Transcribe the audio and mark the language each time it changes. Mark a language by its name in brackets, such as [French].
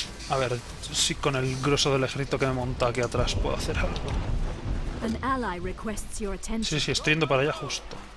[Spanish] A ver, si con el grueso del ejército que me monta aquí atrás puedo hacer algo. [English] An ally requests your attention. [Spanish] Sí, estoy yendo para allá justo.